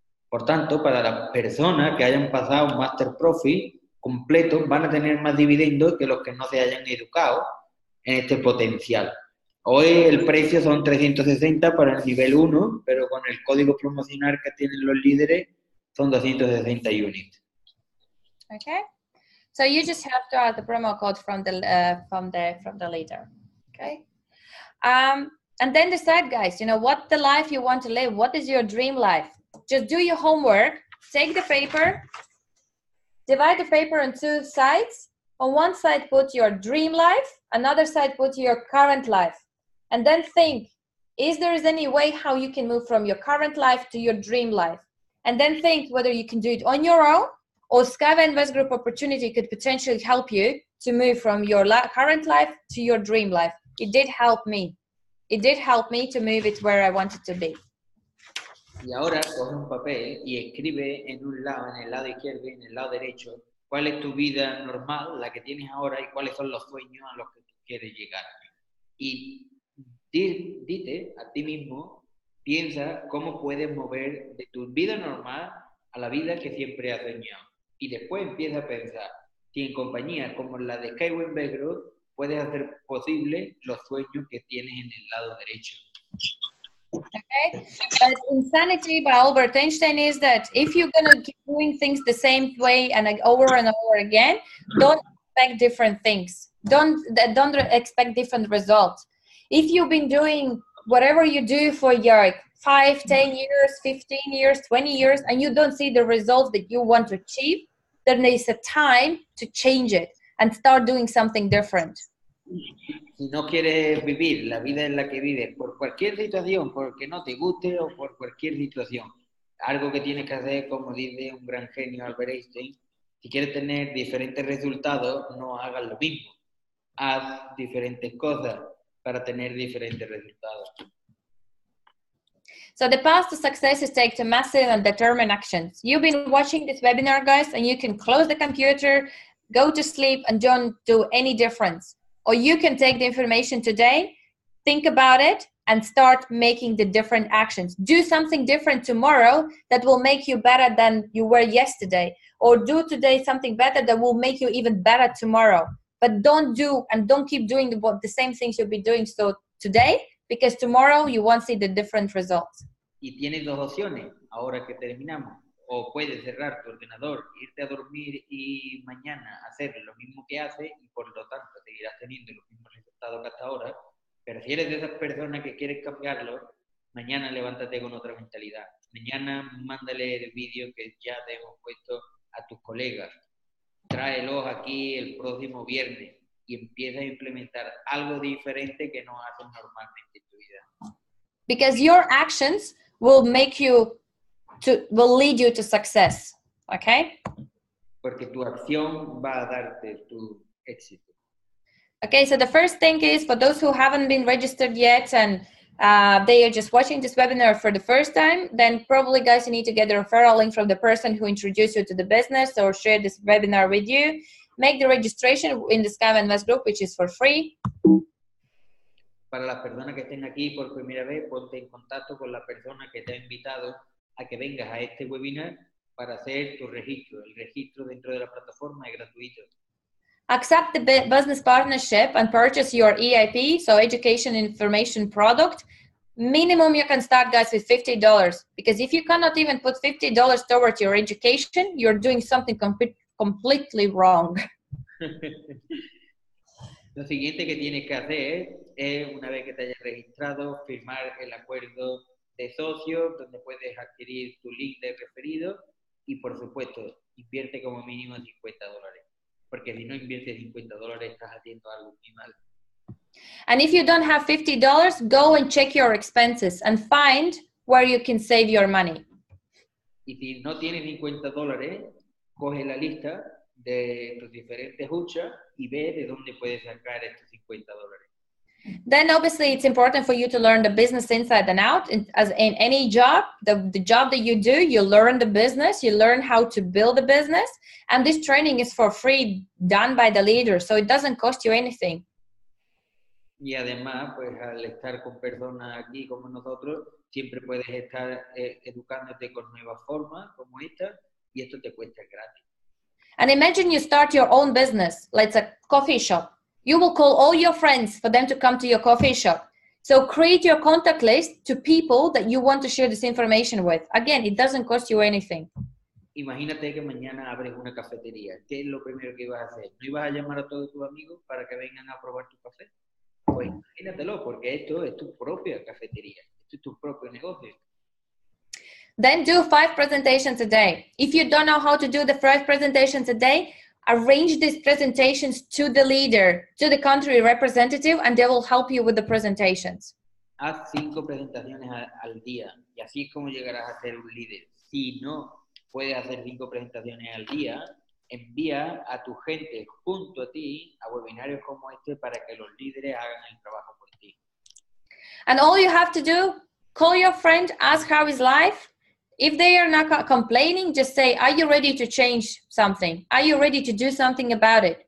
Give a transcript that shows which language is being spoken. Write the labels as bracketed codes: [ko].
[es] Por tanto, para las personas que hayan pasado un Master Profi completo, van a tener más dividendos que los que no se hayan educado en este potencial. Hoy el precio son 360 para el nivel 1, pero con el código promocional que tienen los líderes, son 260 units. [en] Okay. So you just have to add the promo code from the leader. Okay. And then decide, guys, you know, what the life you want to live, what is your dream life? Just do your homework, take the paper, divide the paper on two sides. On one side put your dream life, another side put your current life. And then think, is there any way how you can move from your current life to your dream life? And then think whether you can do it on your own or SkyWay Invest Group opportunity could potentially help you to move from your current life to your dream life. It did help me. It did help me to move it where I wanted to be. [es] Y ahora coge un papel y escribe en un lado, en el lado izquierdo y en el lado derecho, cuál es tu vida normal, la que tienes ahora, y cuáles son los sueños a los que tú quieres llegar. Y dite a ti mismo, piensa cómo puedes mover de tu vida normal a la vida que siempre has soñado. Y después empieza a pensar si en compañías como la de SkyWay Invest Group puedes hacer posible los sueños que tienes en el lado derecho. [en] Okay, but insanity by Albert Einstein is that if you're going to keep doing things the same way and over again, don't expect different things. Don't expect different results. If you've been doing whatever you do for your 5, 10 years, 15 years, 20 years, and you don't see the results that you want to achieve, then it's a time to change it and start doing something different. [es] Si no quieres vivir la vida en la que vives por cualquier situación, porque no te guste o por cualquier situación, algo que tienes que hacer, como dice un gran genio Albert Einstein, si quieres tener diferentes resultados, no hagas lo mismo. Haz diferentes cosas para tener diferentes resultados. [en] So the path to success is take massive and determined actions. You've been watching this webinar, guys, and you can close the computer, go to sleep and don't do any difference. Or you can take the information today, think about it, and start making the different actions. Do something different tomorrow that will make you better than you were yesterday. Or do today something better that will make you even better tomorrow. But don't do and don't keep doing the same things you'll be doing so today, because tomorrow you won't see the different results. [es] Y tienes dos opciones ahora que terminamos. O puedes cerrar tu ordenador, irte a dormir y mañana hacer lo mismo que hace y por lo tanto seguirás teniendo los mismos resultados que hasta ahora. Pero si eres de esas personas que quieres cambiarlo, mañana levántate con otra mentalidad. Mañana mándale el vídeo que ya te hemos puesto a tus colegas. Tráelos aquí el próximo viernes y empieza a implementar algo diferente que no haces normalmente en tu vida. [en] Because your actions will make you to will lead you to success, okay? [es] Porque tu acción va a darte tu éxito. [en] Okay, so the first thing is for those who haven't been registered yet and they are just watching this webinar for the first time, then probably, guys, you need to get a referral link from the person who introduced you to the business or share this webinar with you. Make the registration in the SkyWay Invest group, which is for free. [es] Para las personas que estén aquí por primera vez, ponte en contacto con la persona que te ha invitado a que vengas a este webinar para hacer tu registro. El registro dentro de la plataforma es gratuito. [en] Accept the business partnership and purchase your EIP, so education information product. Minimum you can start, guys, with $50. Because if you cannot even put $50 towards your education, you're doing something completely wrong. [es] Lo siguiente que tienes que hacer es, una vez que te hayas registrado, firmar el acuerdo de socio, donde puedes adquirir tu link de referido. Y, por supuesto, invierte como mínimo $50. Porque si no inviertes $50, estás haciendo algo muy mal. [en] And if you don't have $50, go and check your expenses and find where you can save your money. [es] Y si no tienes $50, coge la lista de tus diferentes huchas y ve de dónde puedes sacar estos $50. [en] Then obviously it's important for you to learn the business inside and out. As in any job, the job that you do, you learn the business, you learn how to build the business. And this training is for free, done by the leader. So it doesn't cost you anything. [es] Y además, pues al estar con personas aquí como nosotros, siempre puedes estar educándote con nuevas formas como esta, y esto te cuesta gratis. [en] And imagine you start your own business, like a coffee shop. You will call all your friends for them to come to your coffee shop. So create your contact list to people that you want to share this information with. Again, it doesn't cost you anything. [es] Imagínate que mañana abres una cafetería. ¿Qué es lo primero que ibas a hacer? ¿No ibas a llamar a todos tus amigos para que vengan a probar tu café? Pues imagínatelo, porque esto es tu propia cafetería. Esto es tu propio negocio. [en] Then do 5 presentations a day. If you don't know how to do the 5 presentations a day, arrange these presentations to the leader, to the country representative, and they will help you with the presentations. [es] Haz 5 presentaciones al día, y así es como llegarás a ser un líder. Si no puedes hacer 5 presentaciones al día, envía a tu gente junto a ti a webinarios como este para que los líderes hagan el trabajo por ti. [en] And all you have to do, call your friend, ask how is life. If they are not complaining, just say, are you ready to change something? Are you ready to do something about it?